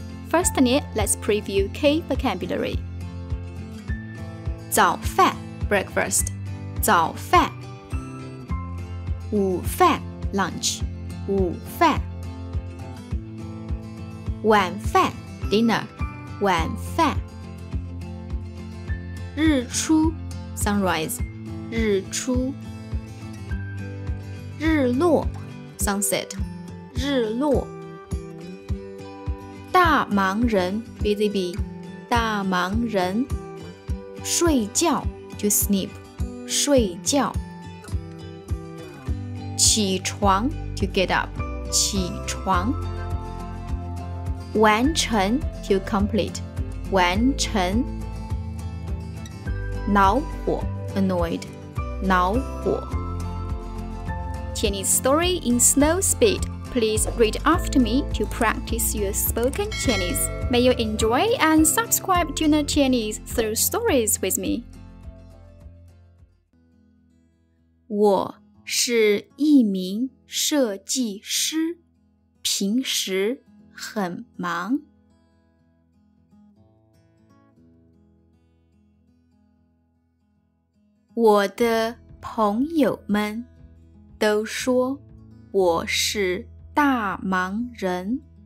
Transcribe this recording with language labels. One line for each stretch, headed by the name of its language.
English: Firstly, let's preview key vocabulary.
Chinese: 早饭
English: Breakfast.
Chinese: 早饭午饭
English: Lunch.
Chinese: 午饭晚饭
English: Dinner.
Chinese: 晚饭日出
English: Sunrise
Chinese: 日出日落
English: Sunset
Chinese: 日落大忙人
English: Busy bee
Chinese: 大忙人睡觉
English: To sleep
Chinese: 睡觉起床
English: To get up 起床
Chinese: 完成
English: To complete 完成
Chinese: 恼火
English: annoyed, 恼火 Chinese story in slow speed. Please read after me to practice your spoken Chinese. May you enjoy and subscribe to Learn Chinese through stories with me.
Chinese: 我是一名设计师，平时很忙。我的朋友们都说我是大忙人。